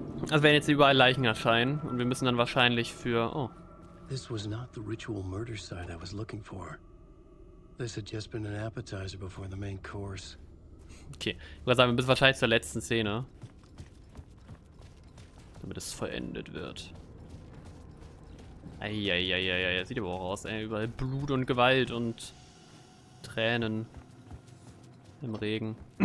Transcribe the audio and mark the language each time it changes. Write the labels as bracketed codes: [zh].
[de] Also werden jetzt überall Leichen erscheinen und wir müssen dann wahrscheinlich für oh. [en] This was not the ritual murder site I was looking for. This had just been an appetizer before the main course. [de] Okay, ich würde sagen, wir müssen wahrscheinlich zur letzten Szene, damit es vollendet wird. Eieieiei, sieht aber auch aus, ey. Überall Blut und Gewalt und Tränen. Im Regen.